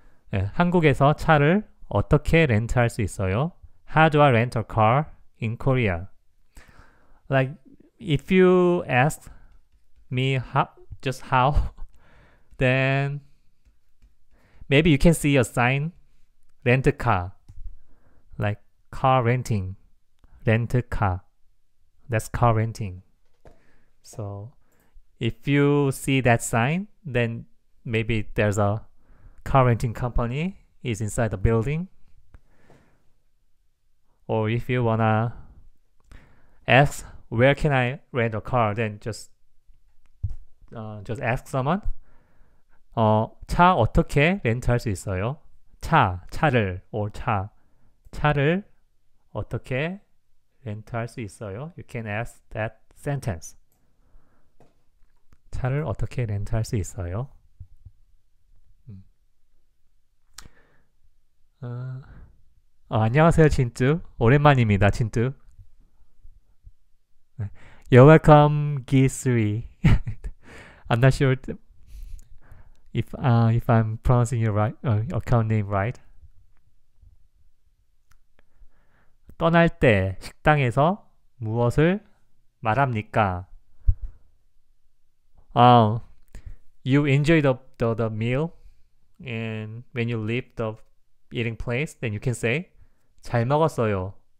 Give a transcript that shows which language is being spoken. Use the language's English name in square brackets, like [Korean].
[Korean] 네, 한국에서 차를 어떻게 렌트할 수 있어요? [English] How do I rent a car in Korea? Like, if you ask me how, then maybe you can see a sign, rent a car, like car renting, rent a car, that's car renting. So if you see that sign, then maybe there's a car renting company is inside the building. Or if you wanna ask where can I rent a car, then just ask someone. [Korean] 차 어떻게 렌트할 수 있어요? 차를 or 차를 어떻게 렌트할 수 있어요? [English] You can ask that sentence. [Korean] 차를 어떻게 렌트할 수 있어요? Oh, 안녕하세요, 진뚜. 오랜만입니다, 진뚜. [English] You're welcome, Gisri. I'm not sure if I'm pronouncing your right account name right. [Korean] 떠날 때 식당에서 무엇을 말합니까? [English] You enjoy the meal, and when you leave the eating place, then you can say [Korean] 잘 먹었어요.